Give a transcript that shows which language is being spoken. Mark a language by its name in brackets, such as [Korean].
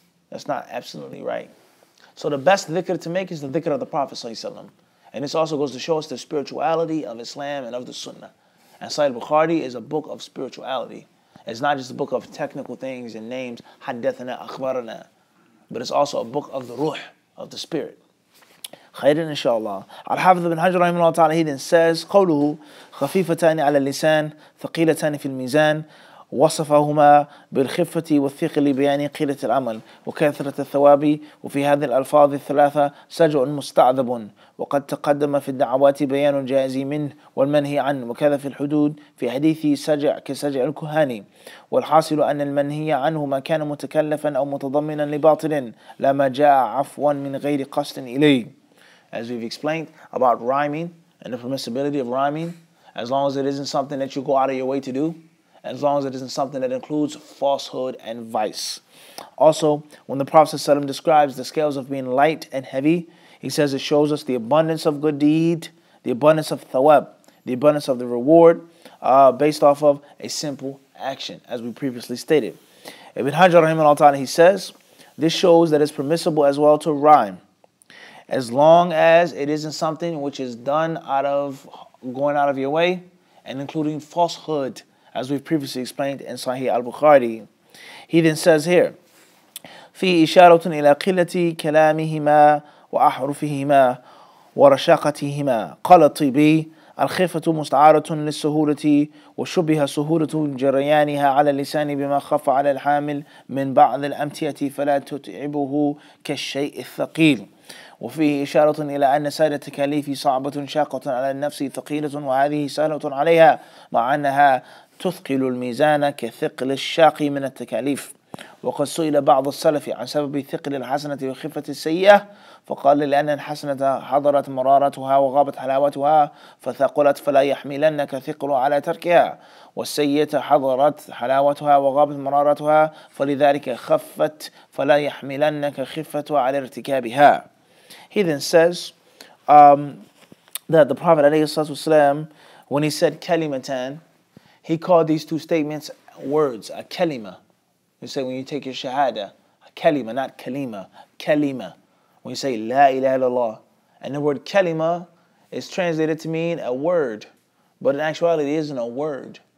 [English] That's not absolutely right. So the best dhikr to make is the dhikr of the Prophet sallallahu alaihi wasallam. And this also goes to show us the spirituality of Islam and of the Sunnah. And Sahih Bukhari is a book of spirituality. It's not just a book of technical things and names, hadathana, akhbarana, but it's also a book of the ruh, of the spirit. [Arabic] خيرًا إن شاء الله. الحافظ بن حجر رحمه الله تعالى [English] he then says [Arabic] قوله خفيفتان على اللسان ثقيلتان في الميزان وصفهما بالخفة والثقل بيان قلة العمل وكثرة الثواب وفي هذه الألفاظ الثلاثة سجع مستعذب وقد تقدم في الدعوات بيان الجائز منه والمنهي عنه وكذا في الحدود في حديث سجع كسجع الكهان والحاصل أن المنهي عنه ما كان متكلفا أو متضمنا لباطل لا ما جاء عفوا من غير قصد إليه. [English] As we've explained about rhyming and the permissibility of rhyming, as long as it isn't something that you go out of your way to do, as long as it isn't something that includes falsehood and vice. Also, when the Prophet ﷺ describes the scales of being light and heavy, He says it shows us the abundance of good deed, the abundance of thawab, the abundance of the reward based off of a simple action, as we previously stated. Ibn Hajar rahimahullah ta'ala, he says, this shows that it's permissible as well to rhyme, as long as it isn't something which is done out of going out of your way and including falsehood, as we've previously explained in Sahih al-Bukhari. He then says here, [Arabic] فِي إِشَارَةٌ إِلَىٰ قِلَّةِ كَلَامِهِمَا وَأَحْرُفِهِمَا وَرَشَاقَتِهِمَا قَالَ الطِّبِي الْخِفَةُ مُسْتَعَارَةٌ لِلسُّهُولَةِ وَشُبِّهَ سُهُولَةُ جَرَيَانِهَا عَلَى اللِّسَانِ بِمَا خَفَ عَلَى الْحَامِلِ مِنْ بَعْضِ الْأَمْتِيَةِ فَلَا تُتْعِبُهُ كَالشَّيْءِ الثَّقِيلِ وفيه إشارة إلى أن سائر التكاليف صعبة شاقة على النفس ثقيلة وهذه سهلة عليها مع أنها تثقل الميزان كثقل الشاق من التكاليف وقد سئل بعض السلف عن سبب ثقل الحسنة وخفة السيئة فقال لأن الحسنة حضرت مرارتها وغابت حلاوتها فثقلت فلا يحملنك ثقل على تركها والسيئة حضرت حلاوتها وغابت مرارتها فلذلك خفت فلا يحملنك خفة على ارتكابها. [English] He then says that the Prophet ﷺ, when he said kalimatan, he called these two statements words, a kalima. You say when you take your shahada, a kalima, not kalima, kalima. When you say la ilaha illallah. And the word kalima is translated to mean a word, but in actuality it isn't a word.